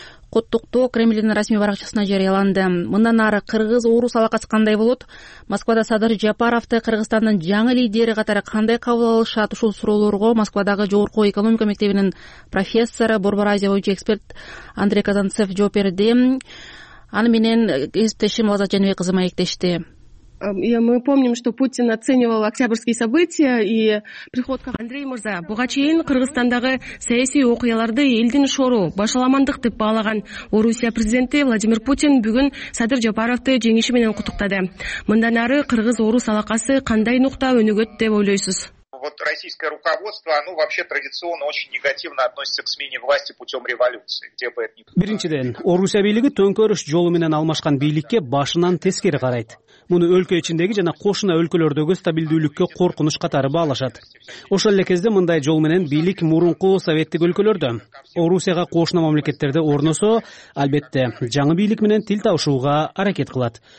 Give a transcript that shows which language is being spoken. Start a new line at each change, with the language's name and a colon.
Kyrgyz: Куттуктоо Кремлдин расмий баракчасына жарыяланды. Мындан ары кыргыз орус алакасы кандай болот? Москвада Садыр Жапаровду Кыргызстандын жаңы лидери катары кандай кабыл алышат? Ушул суроолорго Москвадагы Жогорку экономика мектебинин профессору, Борбор Азия боюнча эксперт Андрей Казанцев жооп берди. Аны менен кесиптешим Лаза Жанбек кызы маектешти.
Russian: Мы помним, что Путин оценивал октябрьские события и приход к Андрею Мурза.
Kyrgyz: Буга чейин Кыргызстандагы саясий окуяларды элдин шору, башаламандык деп баалаган Орусия президенти Владимир Путин бүгүн Садыр Жапаровду жеңиши менен куттуктады. Мындан ары кыргыз-орус алакасы кандай нукта өнүгөт деп ойлойсуз?
Russian: Вот российское руководство, оно вообще традиционно очень негативно относится к смене власти путем революции. Где бы это ни было.
Kyrgyz: Биринчиден, Орусия бийлиги төңкөрүш жолу менен алмашкан бийликке башынан тескери карайт. муну өлкө ичиндеги жана кошуна өлкөлөрдөгү стабилдүүлүккө коркунуч катары баалашат. Ошол эле кезде мындай жол менен бийлик мурунку советтик өлкөлөрдө, Орусияга кошуна мамлекеттерде орносо, албетте жаңы бийлик менен тил табышууга аракет кылат.